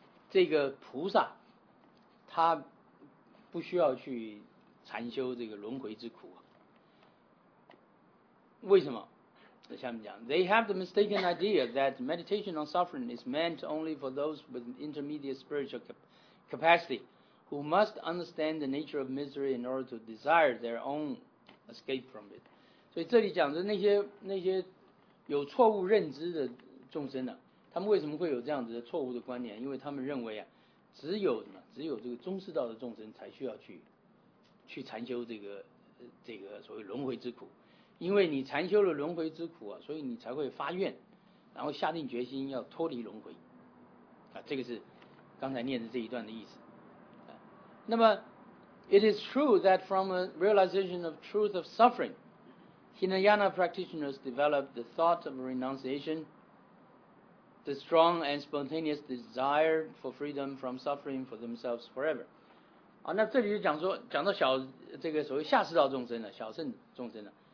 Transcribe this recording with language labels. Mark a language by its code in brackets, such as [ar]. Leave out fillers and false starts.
[zh] 这个菩萨他不需要去禅修这个轮回之苦、啊、为什么下面讲 [en] They have the mistaken idea that meditation on suffering is meant only for those with intermediate spiritual capacity who must understand the nature of misery in order to desire their own escape from it. [zh] 所以这里讲的那些有错误认知的众生呢、啊，他们为什么会有这样子的错误的观念？因为他们认为啊，只有这个中士道的众生才需要去禅修这个所谓轮回之苦。因为你禅修了轮回之苦啊，所以你才会发愿，然后下定决心要脱离轮回，啊，这个是刚才念的这一段的意思。啊、那么 [en] ，It is true that from a realization of truth of suffering, Hinayana practitioners develop the thought of renunciation, the strong and spontaneous desire for freedom from suffering for themselves forever. [zh] 啊，那这里就讲到小这个所谓下士道众生了，小圣众生了。